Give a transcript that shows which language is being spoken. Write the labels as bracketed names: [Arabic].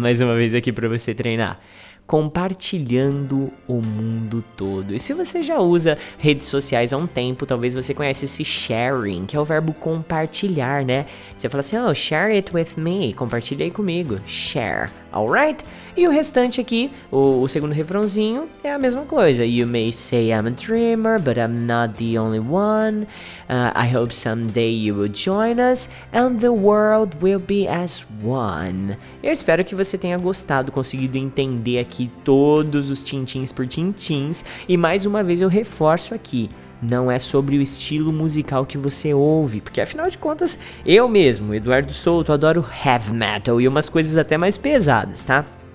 [Portuguese] Mais uma vez aqui pra você treinar. Compartilhando o mundo todo. E se você já usa redes sociais há um tempo, talvez você conheça esse sharing, que é o verbo compartilhar, né? Você fala assim, oh, [English] share it with me. [Portuguese] Compartilhe aí comigo. Share. [English] Alright? [Portuguese] E o restante aqui, o segundo refrãozinho, é a mesma coisa. [English] You may say I'm a dreamer, but I'm not the only one. I hope someday you will join us, and the world will be as one. [Portuguese] Eu espero que você tenha gostado, conseguido entender aqui todos os tintins por tintins. E mais uma vez eu reforço aqui. Não é sobre o estilo musical que você ouve, porque afinal de contas, eu mesmo, Eduardo Souto, adoro heavy metal e umas coisas até mais pesadas, tá?